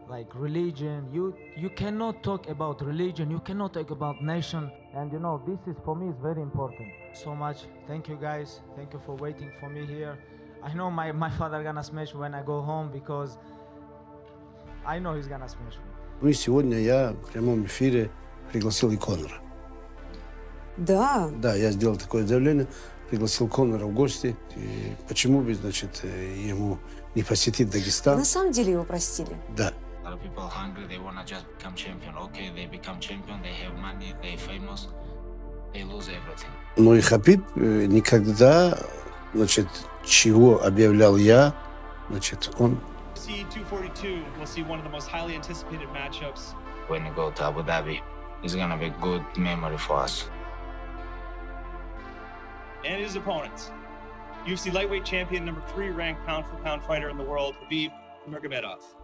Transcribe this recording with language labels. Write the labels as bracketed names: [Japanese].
[English] Like religion, you cannot talk about religion, you cannot talk about nation. And you know, this is for me is very important. So much, thank you guys, thank you for waiting for me here. I know my father gonna smash when I go home because I know he's gonna smash me. [Russian] Ну и сегодня я в прямом эфире пригласил и Конора. Да? Да, я сделал такое заявление, пригласил Конора в гости. И почему бы, значит, ему не посетить Дагестан? На самом деле его простили. Да. [English] A lot of people hungry, they wanna just become champion. Okay, they become champion, they have money, they famous, they lose everything. [Russian] Ну и Хабиб никогда, значит, чего объявлял я, значит, он... [English] UFC 242, we'll see one of the most highly anticipated matchups. When you go to Abu Dhabi, it's gonna be a good memory for us. And his opponents. UFC lightweight champion, number 3 ranked pound-for-pound fighter in the world, Khabib Nurmagomedov.